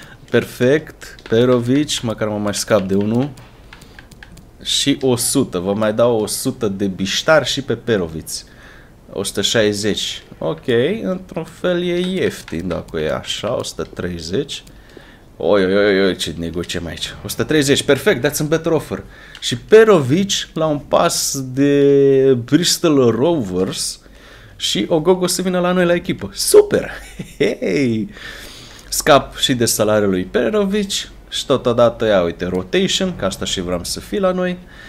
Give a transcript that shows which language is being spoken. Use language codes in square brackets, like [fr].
[ro] Perfect, Perovic, măcar mă mai scap de unul. Și 100, vă mai dau 100 de biștar și pe Perovic. 160, ok, într-un fel e ieftin dacă e așa, 130. Oi, oi, oi, ce negociem aici. [en] 130, perfect, that's a better offer. [ro] Și Perovic, la un pas de Bristol Rovers, și Ogogo să vină la noi la echipă. Super! Hei! Scap și de salariul lui Perovic. Și totodată, ia uite, rotation, că asta și vreau să fie la noi.